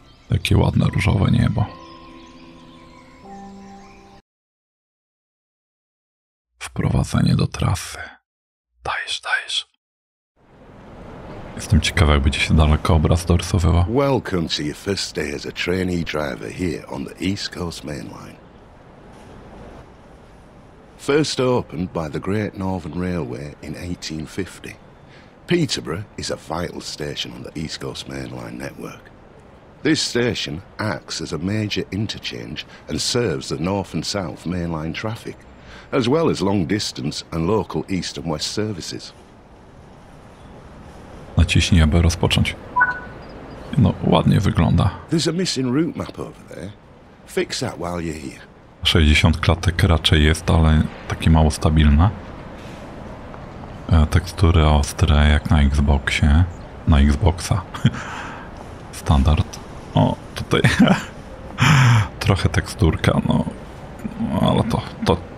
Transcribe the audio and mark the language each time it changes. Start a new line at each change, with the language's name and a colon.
Polish: Jakie ładne różowe niebo. Wprowadzenie do trasy. Dajesz. Jestem ciekawy, jak będzie się daleko obraz dorysowywał.
English: Welcome to your first day as a trainee driver here on the East Coast Mainline. First opened by the Great Northern Railway in 1850, Peterborough is a vital station on the East Coast Mainline network. This station acts as a major interchange and serves the North and South Mainline traffic, as well as long-distance and local East and West services.
Polish: Naciśnij, aby rozpocząć. No, ładnie wygląda.
English: There's a missing route map over there. Fix that while you're here.
Polish: 60 klatek raczej jest, ale takie mało stabilne. Tekstury ostre, jak na Xboxie. Na Xboxa. Standard. O, tutaj. Trochę teksturka, no. Ale to...